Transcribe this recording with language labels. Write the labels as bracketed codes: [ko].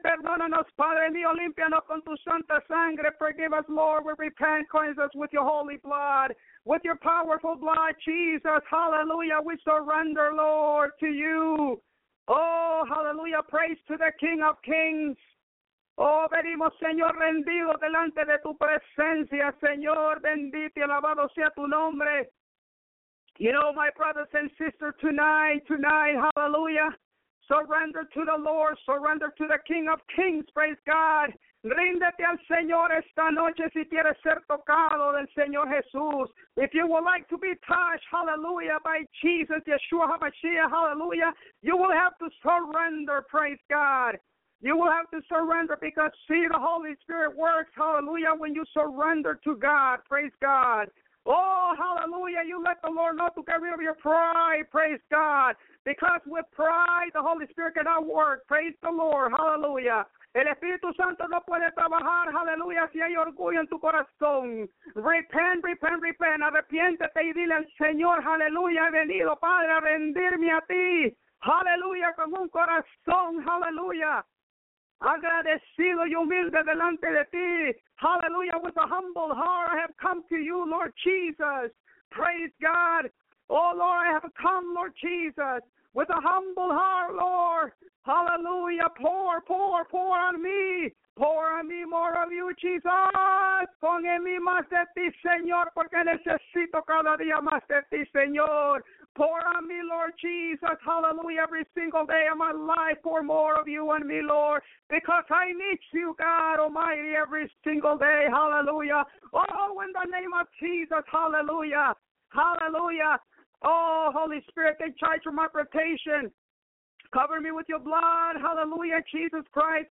[es] Perdónanos, Padre mío, límpianos con tu santa sangre. [en] Forgive us, Lord, we repent. Cleanse us with your holy blood, with your powerful blood, Jesus. Hallelujah, we surrender, Lord, to you. Oh, hallelujah, praise to the King of Kings. [es] Oh, venimos, Señor, rendido delante de tu presencia, Señor, bendito y alabado sea tu nombre. [en] You know, my brothers and sisters, tonight, hallelujah, surrender to the Lord, surrender to the King of Kings, praise God. [es] Ríndete al Señor esta noche si quieres ser tocado del Señor Jesús. [en] If you would like to be touched, hallelujah, by Jesus, Yeshua HaMashiach, hallelujah, you will have to surrender, praise God. You will have to surrender because, see, the Holy Spirit works, hallelujah, when you surrender to God. Praise God. Oh, hallelujah, you let the Lord know to get rid of your pride. Praise God. Because with pride, the Holy Spirit cannot work. Praise the Lord. Hallelujah. [es] El Espíritu Santo no puede trabajar, hallelujah, si hay orgullo en tu corazón. [en] Repent, repent, repent. [es] Arrepiéntete y dile al Señor, hallelujah, he venido, Padre, a rendirme a ti. Hallelujah, con un corazón, hallelujah. Agradecido y humilde delante de ti. [en] Hallelujah, with a humble heart, I have come to you, Lord Jesus. Praise God. Oh, Lord, I have come, Lord Jesus, with a humble heart, Lord. Hallelujah, pour on me. Pour on me more of you, Jesus. [es] Pon en mí más de ti, Señor, porque necesito cada día más de ti, Señor. [en] Pour on me, Lord Jesus, hallelujah, every single day of my life, pour more of you on me, Lord, because I need you, God Almighty, every single day, hallelujah. Oh, in the name of Jesus, hallelujah, hallelujah. Oh, Holy Spirit, take charge of my protection. Cover me with your blood, hallelujah, Jesus Christ.